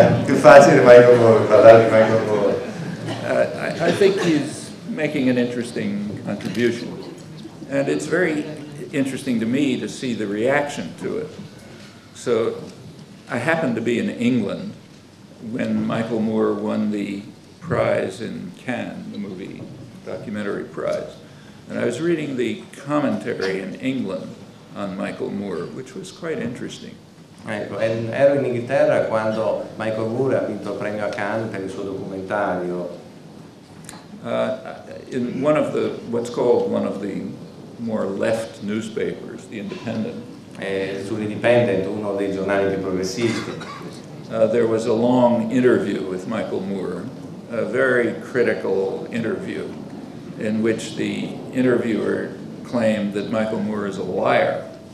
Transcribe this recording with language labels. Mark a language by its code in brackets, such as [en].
[it] più facile Michael Moore, parlare di Michael Moore. [en] I think he's making an interesting contribution, and it's very interesting to me to see the reaction to it. So, I happen to be in England when Michael Moore won the prize in Cannes, the movie documentary prize. And I was reading the commentary in England on Michael Moore, which was quite interesting. [it] Ecco, ero in Inghilterra quando Michael Moore ha vinto il premio a Cannes per il suo documentario. [en] In one of the, what's called one of the more left newspapers, The Independent. [it] Sull'Independent, uno dei giornali più progressisti. [en] There was a long interview with Michael Moore, a very critical interview, in which the interviewer claimed that Michael Moore is a liar.